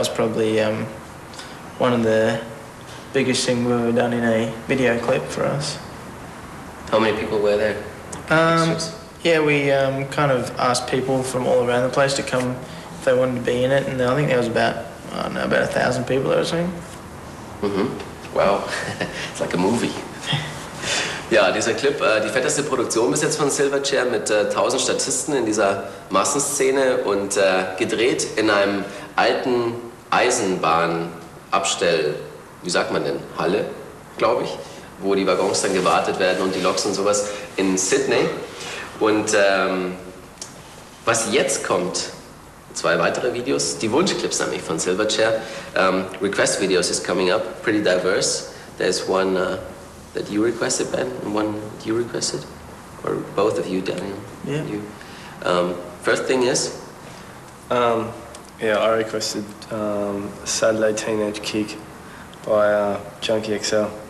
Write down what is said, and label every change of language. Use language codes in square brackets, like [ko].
[en] That was probably one of the biggest things we've ever done in a video clip for us. How many people were there? We kind of asked people from all around the place to come if they wanted to be in it, and I think there was about 1,000 people there or something. Wow, it's like a movie. [de] Ja, dieser Clip, die fetteste Produktion bis jetzt von Silverchair mit 1000 Statisten in dieser Massenszene und gedreht in einem alten Eisenbahnabstell, wie sagt man denn, Halle, glaube ich, wo die Waggons dann gewartet werden und die Loks und sowas in Sydney. Und was jetzt kommt, zwei weitere Videos, die Wunschclips nämlich von Silverchair. [en] Request Videos is coming up, pretty diverse. There's one that you requested, Ben, and one you requested, or both of you, Daniel. Yeah. You. First thing is? I requested Saturday Teenage Kick by Junkie XL.